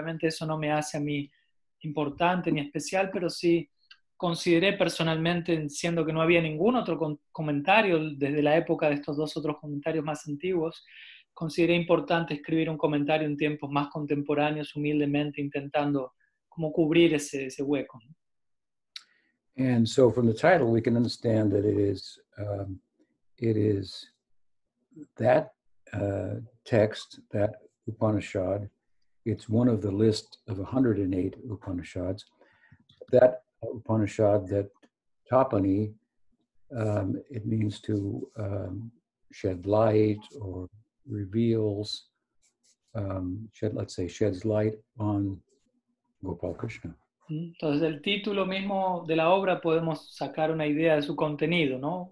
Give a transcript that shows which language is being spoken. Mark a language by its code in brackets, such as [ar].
[es] Obviamente eso no me hace a mí importante ni especial, pero sí consideré personalmente, siendo que no había ningún otro comentario desde la época de estos dos otros comentarios más antiguos, consideré importante escribir un comentario en tiempos más contemporáneos, humildemente intentando como cubrir ese hueco. [en] And so from the title we can understand that it is that text, that Upanishad. It's one of the list of 108 Upanishads. That Upanishad, that Tapani, it means to shed light or reveals, sheds light on Gopal Krishna. [es] Entonces, del título mismo de la obra podemos sacar una idea de su contenido, ¿no?